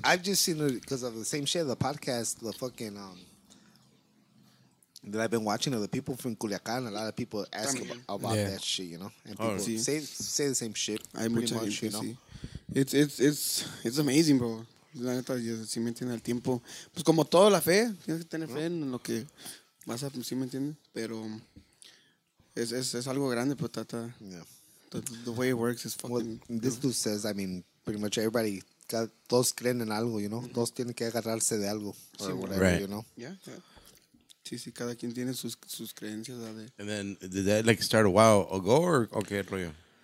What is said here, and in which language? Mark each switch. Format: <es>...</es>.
<en>I've just seen it because of the same shit, the podcast, the fucking that I've been watching of the people from Culiacan. A lot of people ask about that shit, you know, and people say the same shit. I'm pretty much, you know, it's amazing, bro.</en> <es>La neta, si me entiendes, el tiempo, pues como todo, la fe, tienes que tener fe en lo que vas a, si me entiendes, pero es algo grande, patata.</es> <en>Yeah. The way it works is fucking... Well, this dude says, I mean, pretty much everybody...</en> <es>Todos creen en algo,</es> <en>you know?</en> <es>Todos tienen que agarrarse de algo. Or sí, whatever, right. You know? Yeah, yeah. Sí, cada quien tiene sus creencias.</es> <en>And then, did that, like, start a while ago, or</en> <es>qué rollo?</es>